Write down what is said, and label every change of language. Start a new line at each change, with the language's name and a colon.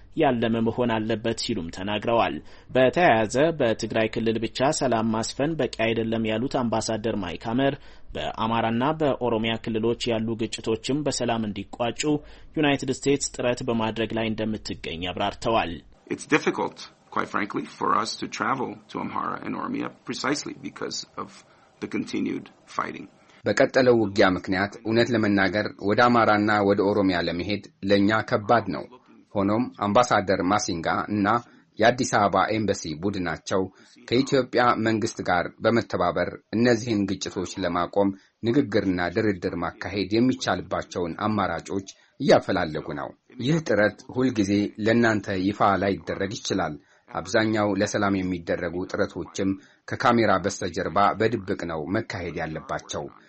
Amharic: ያለመ መሆን አለበት ሲሉም ተናግረዋል። በተያያዘ በትግራይ ክልል ብቻ ሰላም ማስፈን በቂ አይደለም ያሉት አምባሳደር ማይካመር በአማራና በኦሮሚያ ክልሎች ያሉ ግጭቶችም በሰላም እንዲቋጩ ዩናይትድ ስቴትስ ጥረት በማድረግ ላይ እንደምትገኝ አብራርተዋል።
English: It's difficult, quite frankly, for us to travel to Amhara and Oromia precisely because of the continued fighting.
Amharic: በቀጠለው ውጊያ ምክንያት እነት ለመናገር ወደ አማራና ወደ ኦሮሚያ ለመሄድ ለኛ ከባድ ነው። ሆኖም አምባሳደር ማሲንጋ እና የአዲስ አበባ ኤምባሲ ቡድናቸው ከኢትዮጵያ መንግስት ጋር በመተባበር እነዚህን ግጭቶች ለማቆም ንግግርና ድርድር ማካሄድ የሚቻልባቸውን አማራጮች ያፈላልጉ ነው። ይህ ጥረት ሁልጊዜ ለናንተ ይፋ ላይደረግ ይችላል። አብዛኛው ለሰላም የሚደረጉ ጥረቶችም ከካሜራ በስተጀርባ በድብቅ ነው መካሄድ ያለባቸው።